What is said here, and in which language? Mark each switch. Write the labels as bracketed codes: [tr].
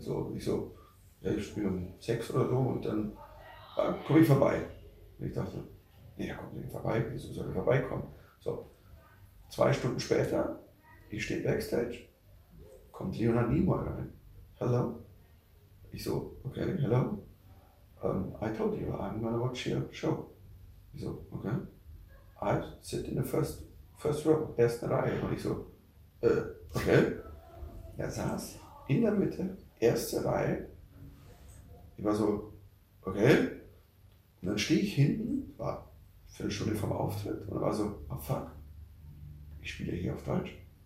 [de] So, ich so, ja, ich spiele um 6 oder so, und dann komme ich vorbei. Und ich dachte, ja, komm, ich vorbei, wieso soll ich vorbeikommen? So, 2 Stunden später, ich stehe Backstage, kommt Leonard Nimoy rein. Hello. Ich so, okay, hello. [en] I told you, I'm gonna watch your show. [de] Ich so, [en] okay, I sit in the first row, [de] erste Reihe. Und ich so, okay. Er saß in der Mitte, erste Reihe. Ich war so, okay. Und dann stehe ich hinten, war eine Viertelstunde vom Auftritt, und war so, oh fuck, ich spiele hier auf Deutsch.